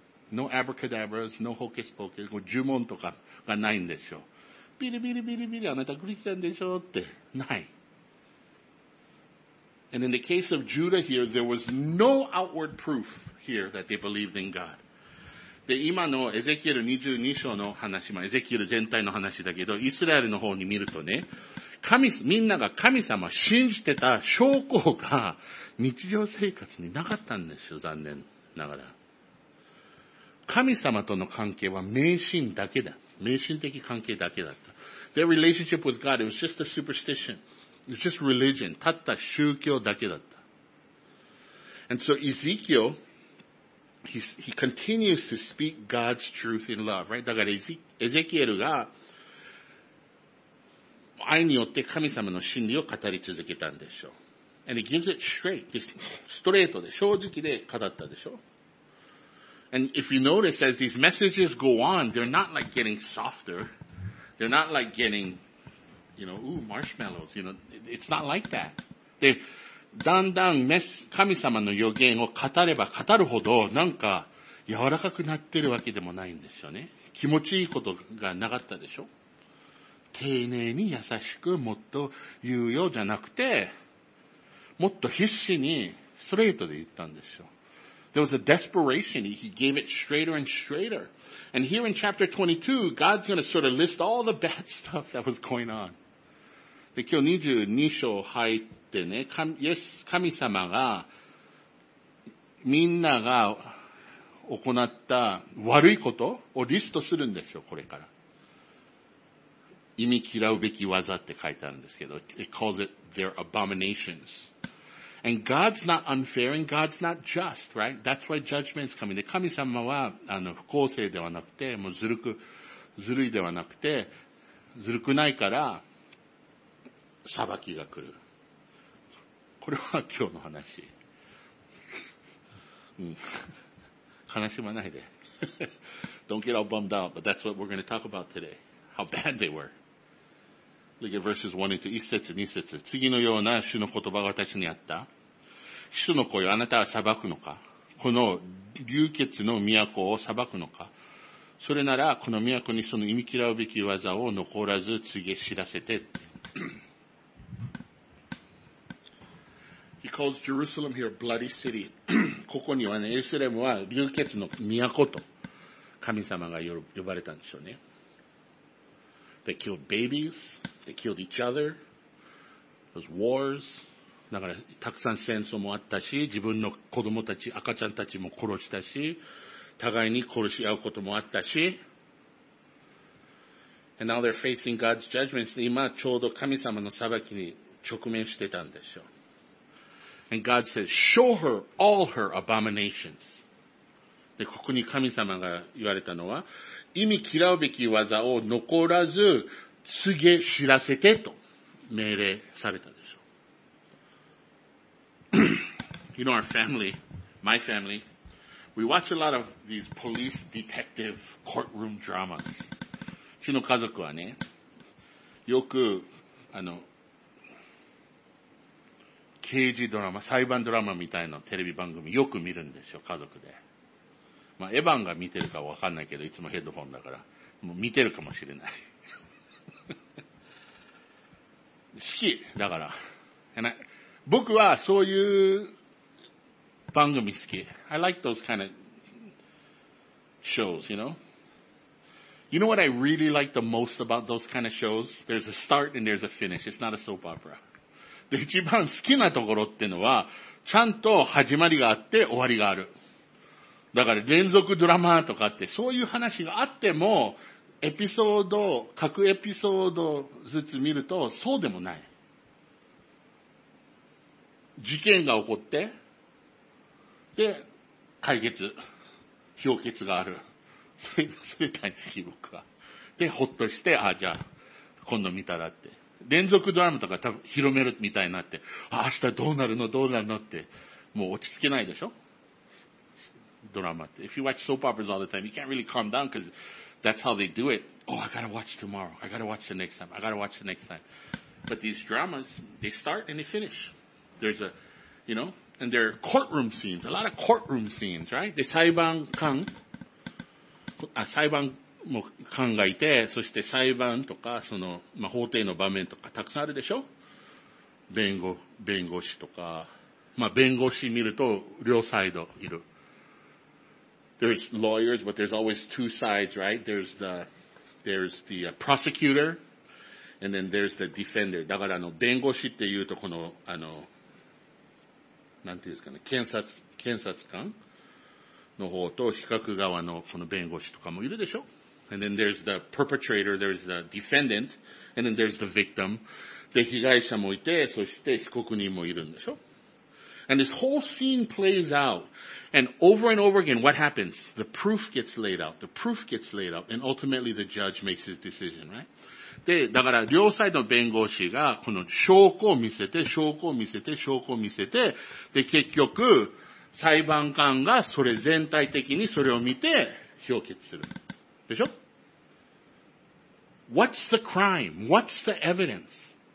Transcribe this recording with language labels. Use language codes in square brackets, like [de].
[en] No abracadabras, no hocus pocus, [ja] 呪文とかがないんですよ。ビリビリビリビリ、あなたクリスチャンでしょって。ない。 [en] And in the case of Judah here, there was no outward proof here that they believed in God. [ja] で、今のエゼキエル22章の話、まあ、エゼキエル全体の話だけど、イスラエルの方に見るとね、みんなが神様信じてた証拠が日常生活になかったんですよ、残念ながら。神様との関係は迷信だけだ。迷信的関係だけだった。 [en] Their relationship with God, it was just a superstition. It was just religion. [ja] たった宗教だけだった。 [en] And so Ezekiel, he continues to speak God's truth in love, right? [ja] だからエゼキエルが愛によって神様の真理を語り続けたんでしょう。 [en] And he gives it straight, [ja] ストレートで、正直で語ったでしょ。 [en] And if you notice, as these messages go on, they're not like getting softer. They're not like getting, you know, ooh, marshmallows, you know, it's not like that. [ja] で、だんだん神様の予言を語れば語るほど、なんか柔らかくなってるわけでもないんですよね。気持ちいいことがなかったでしょ。丁寧に優しくもっと言うようじゃなくて、もっと必死にストレートで言ったんですよ。 [en] There was a desperation. He gave it straighter and straighter. And here in chapter 22, God's going to sort of list all the bad stuff that was going on. [ja] で、今日22章入ってね、神様が、みんなが行った悪いことをリストするんですよ、これから。忌み嫌うべき技って書いてあるんですけど、 [en] it calls it their abominations. And God's not unfair and God's not just, right? That's why judgment's coming. [ja] で、神様は、不公正ではなくて、もうずるいではなくて、ずるくないから、裁きが来る。これは今日の話。うん。悲しまないで。 [en] Don't get all bummed out, but that's what we're going to talk about today. How bad they were. Look at verses 1 and 2. [ja] 一節二節。次のような主の言葉が私にあった。主の声をあなたは裁くのか。この流血の都を裁くのか。それなら、この都にその忌み嫌うべき技を残らず告げ知らせて。 [en] He calls Jerusalem here bloody city. [ja] ここにはね、エルサレムは流血の都と神様が呼ばれたんでしょうね。 [en] They killed babies. They killed each other. Those wars. [ja] だから、たくさん戦争もあったし、自分の子供たち、赤ちゃんたちも殺したし、互いに殺し合うこともあったし。 [en] And now they're facing God's judgments. [ja] 今、ちょうど神様の裁きに直面してたんでしょう。 [en] And God says, show her all her abominations. [ja] で、ここに神様が言われたのは、忌み嫌うべき技を残らず告げ知らせてと命令されたでしょう。 [en] You know, our family, my family, we watch a lot of these police detective courtroom dramas. [ja] うちの家族はね、よく、刑事ドラマ、裁判ドラマみたいなテレビ番組よく見るんですよ、家族で。まあ、エヴァンが見てるかわかんないけど、いつもヘッドホンだから。もう見てるかもしれない。好き。だから。僕はそういう番組好き。 [en] I like those kind of shows, you know? You know what I really like the most about those kind of shows? There's a start and there's a finish. It's not a soap opera. [ja] で、一番好きなところってのは、ちゃんと始まりがあって終わりがある。だから連続ドラマとかって、そういう話があっても、エピソード、各エピソードずつ見ると、そうでもない。事件が起こって、で、解決、評決がある。それ大好き、僕は。で、ほっとして、あ、じゃあ、今度見たらって。連続ドラマとか多分広めるみたいになって、ああ明日どうなるのどうなるのって、もう落ち着けないでしょ？ドラマって。 [en] If you watch soap operas all the time, you can't really calm down because that's how they do it. Oh, I gotta watch tomorrow. I gotta watch the next time. I gotta watch the next time. But these dramas, they start and they finish. There's a, you know, and there are courtroom scenes, a lot of courtroom scenes, right? [ja] で、裁判官、あ、裁判、も考えて、そして裁判とか、その、まあ、法廷の場面とか、たくさんあるでしょ？弁護士とか、まあ、弁護士見ると、両サイドいる。 [en] There's lawyers, but there's always two sides, right? There's the prosecutor, and then there's the defender. [ja] だから、弁護士って言うと、この、なんていうんですかね、検察官の方と、被告側のこの弁護士とかもいるでしょ？ [en] And then there's the perpetrator, there's the defendant, and then there's the victim. [ja] で、被害者もいて、そして被告人もいるんでしょ？ [en] And this whole scene plays out. And over again, what happens? The proof gets laid out. And ultimately the judge makes his decision, right? [ja] で、だから両サイドの弁護士がこの証拠を見せて、で、結局、裁判官がそれ全体的にそれを見て、評決する。でしょ？ [en] What's the crime? What's the evidence?